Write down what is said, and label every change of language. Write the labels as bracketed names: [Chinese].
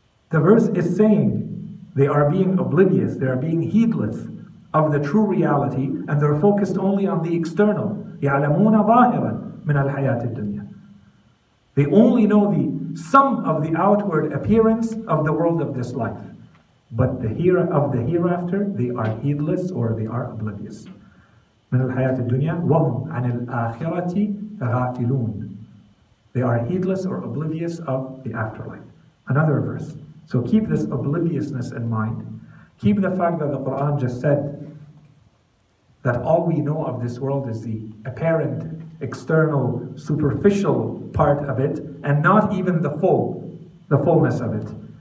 [English] The verse is saying they are being oblivious, they are being heedless of the true reality, and they're focused only on the external. [Arabic] يَعْلَمُونَ ظَاهِرًا مِنَ الْحَيَاةِ الدُّنْيَا. [English] They only know the sum of the outward appearance of the world of this life. But the hereafter, they are heedless or they are oblivious. [Arabic] من الحياة الدنيا وهم عن الآخرة غافلون. [English] They are heedless or oblivious of the afterlife. Another verse. So keep this obliviousness in mind. Keep the fact that the Quran just said that all we know of this world is the apparent, external, superficial part of it, and not even the fullness of it.